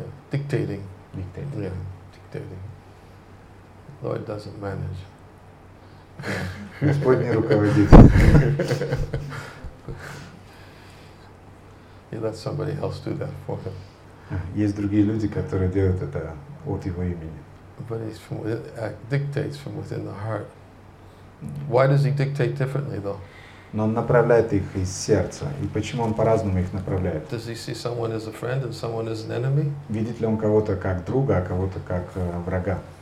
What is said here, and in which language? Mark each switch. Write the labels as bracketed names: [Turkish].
[English] Dictating. Dictating. Yeah. Dictating. Lord doesn't manage. [Russian] Господь не руководит. [English] He lets somebody else do that for him. [Russian] Есть другие люди, которые делают это от его имени. [English] But he's from within, dictates from within the heart. Why does he dictate differently, though? [Russian] Но он направляет их из сердца. И почему он по-разному их направляет? [English] Does he see someone as a friend and someone as an enemy? [Russian] Видит ли он кого-то как друга, а кого-то как врага?